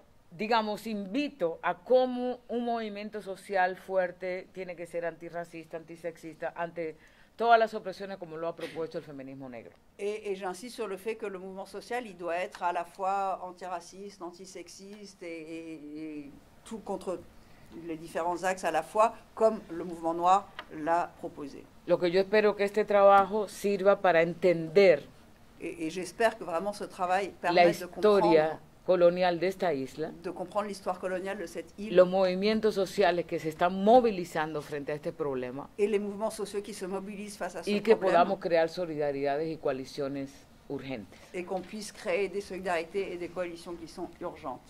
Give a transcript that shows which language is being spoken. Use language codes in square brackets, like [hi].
[es] Digamos, invito a cómo un movimiento social fuerte tiene que ser antirracista, antisexista, ante todas las opresiones como lo ha propuesto el feminismo negro. [fr] Et j'insiste sur le fait que le mouvement social, il doit être à la fois antiraciste, antisexiste et tout contre les différents axes à la fois, comme le mouvement noir l'a proposé. [es] Lo que yo espero que este trabajo sirva para entender. [fr] Et j'espère que vraiment ce travail permette de comprendre [es] la historia colonial de esta isla. [fr] De comprendre l'histoire coloniale de cette île. [es] Los movimientos sociales que se están movilizando frente a este problema. [fr] Et les mouvements sociaux qui se mobilisent face à ce problème. [es] Y que podamos crear solidaridades y coaliciones urgentes. [fr] Et qu'on puisse créer des solidarités et des coalitions qui sont urgentes.